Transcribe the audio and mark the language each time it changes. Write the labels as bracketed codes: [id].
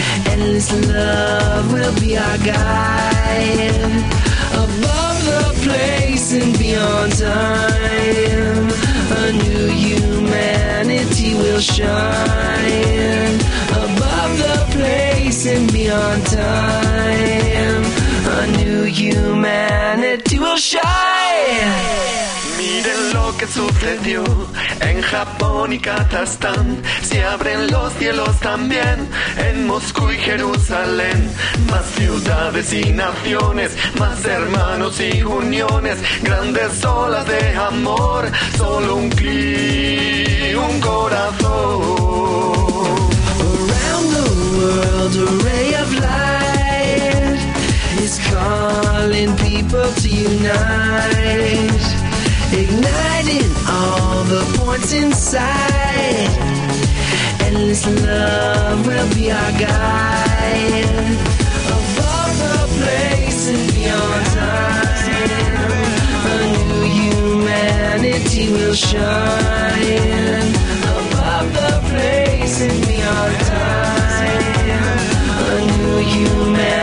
[en] endless love will be our guide, above the place and beyond time, a new humanity will shine, above the place and beyond time, a new humanity will shine. [es] Miren lo que sucedió en Japón y Kazajstán, se abren los cielos también en Moscú y Jerusalén, más ciudades y naciones, más hermanos y uniones, grandes olas de amor, solo un clic, un corazón. [en] Around the world a ray of light is calling people to unite, igniting all the points inside, endless love will be our guide, above the place and beyond time, a new humanity will shine, above the place and beyond time, a new humanity.